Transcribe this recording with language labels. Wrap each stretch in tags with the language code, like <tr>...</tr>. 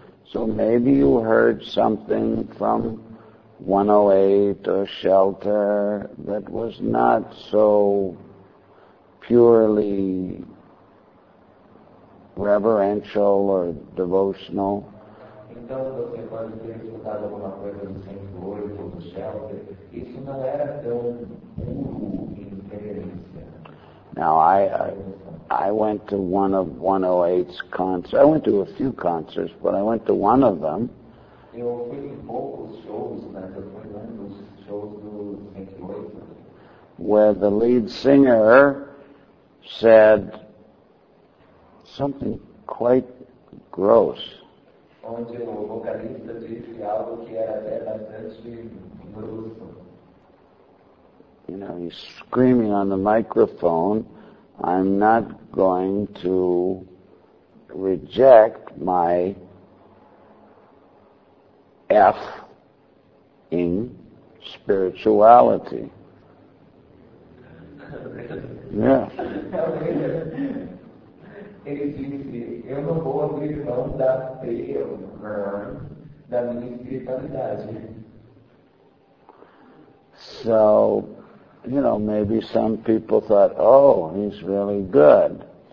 <en>So maybe you heard something from 108 or Shelter that was not so purely reverential or devotional.</en> <pt>Então você pode ter escutado alguma coisa do Centro ou do Shelter. Isso não era tão puro em referência.</pt> <en>Now, I went to one of 108's concerts. I went to a few concerts, but I went to one of them.</en> <pt>Eu fui em poucos shows, mas eu fui em dos shows do Centro.</pt> <en>Where the lead singer said something quite gross.</en> <pt>Onde o vocalista disse algo que era até bastante grosso.</pt> <en>You know, he's screaming on the microphone, "I'm not going to reject my F in spirituality." Yeah.</en> <pt>Ele disse, "Eu não vou abrir mão da P, da minha espiritualidade."</pt> <en>So, you know, maybe some people thought, "Oh, he's really good."</en>